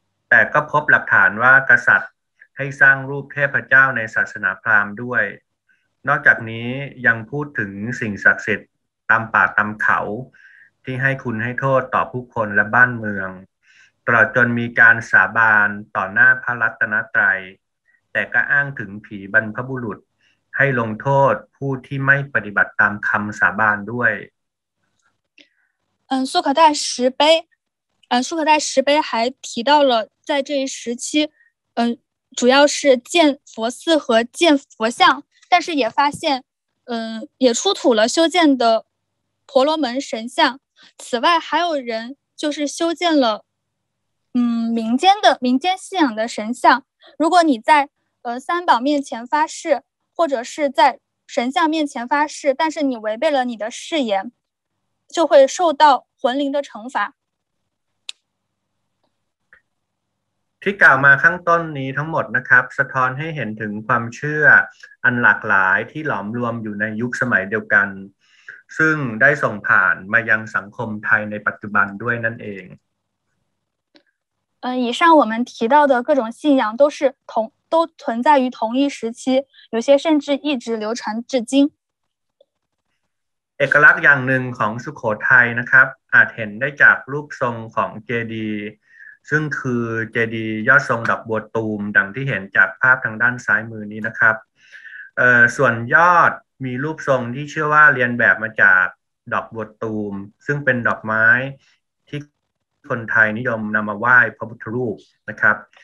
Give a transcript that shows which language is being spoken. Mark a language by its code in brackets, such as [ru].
[th] แต่ก็พบหลักฐานว่ากษัตริย์ให้สร้างรูปเทพเจ้าในศาสนาพราหมณ์ด้วยนอกจากนี้ยังพูดถึงสิ่งศักดิ์สิทธิ์ตามป่าตามเขาที่ให้คุณให้โทษต่อผู้คนและบ้านเมืองตลอดจนมีการสาบานต่อหน้าพระรัตนตรัยแต่ก็อ้างถึงผีบรรพบุรุษให้ลงโทษผู้ที่ไม่ปฏิบัติตามคำสาบานด้วย [zh] 素可泰石碑素可泰石碑还提到了在这一时期主要是建佛寺和建佛像但是也发现也出土了修建的婆罗门神像此外还有人就是修建了民间信仰的神像如果你在三宝面前发誓或者是在神像面前发誓但是你违背了你的誓言就会受到魂灵的惩罚 [th] ที่กล่าวมาข้างต้นนี้ทั้งหมดนะครับสะท้อนให้เห็นถึงความเชื่ออันหลากหลายที่หลอมรวมอยู่ในยุคสมัยเดียวกันซึ่งได้ส่งผ่านมายังสังคมไทยในปัจจุบันด้วยนั่นเอง [zh] 以上我们提到的各种信仰都是都存在于同一时期，有些甚至一直流传至今。 [th] เอกลักษณ์อย่างหนึ่งของสุโขทัยนะครับอาจเห็นได้จากรูปทรงของเจดีย์ซึ่งคือเจดีย์ยอดทรงดอกบัวตูมดังที่เห็นจากภาพทางด้านซ้ายมือนี้นะครับส่วนยอดมีรูปทรงที่เชื่อว่าเรียนแบบมาจากดอกบัวตูมซึ่งเป็นดอกไม้ที่คนไทยนิยมนำมาไหว้พระพุทธรูปนะครับ